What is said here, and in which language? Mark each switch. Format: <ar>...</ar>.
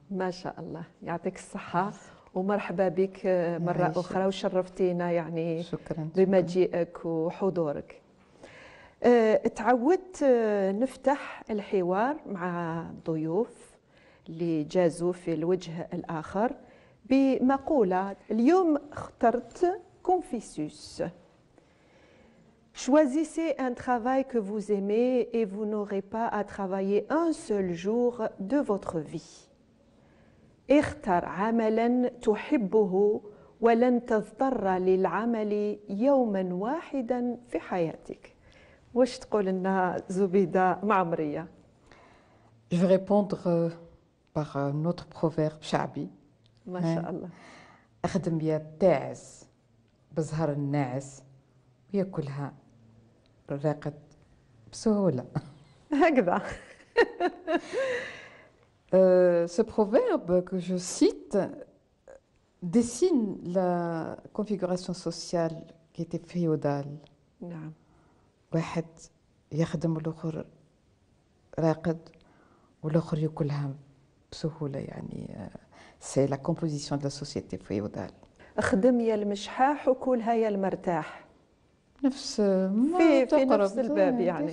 <ar>ما شاء الله، يعطيك الصحة ومرحبا بك مرة أخرى، وشرفتينا يعني. شكرا. بمجيئك وحضورك. تعودت نفتح الحوار مع ضيوف اللي جازوا في الوجه الآخر بمقولة. اليوم اخترت كونفيسيوس.</ar> <fr>Choisissez un travail que vous aimez et vous n'aurez pas à travailler un seul jour de votre vie.</fr> <ar>اختر عملا تحبه ولن تضطر للعمل يوما واحدا في حياتك. واش تقول لنا زبيدة معمرية؟</ar> <fr>Je vais répondre par un autre proverbe</fr> <ar>شعبي. ما شاء الله. اخدم يا تاعس بزهر الناعس وياكلها الراقد بسهولة. هكذا.</ar> <fr>ce proverbe que je cite dessine la configuration sociale qui était féodale.</fr> <ar>نعم. واحد يخدم الاخر راقد والاخر ياكلها بسهوله، يعني</ar> <fr>سي لا كومبوزيسيون دو لا سوسيتي فيودال.</fr> <ar>اخدم يا المشحاح وكلها يا المرتاح. نفس في نفس الباب يعني.</ar>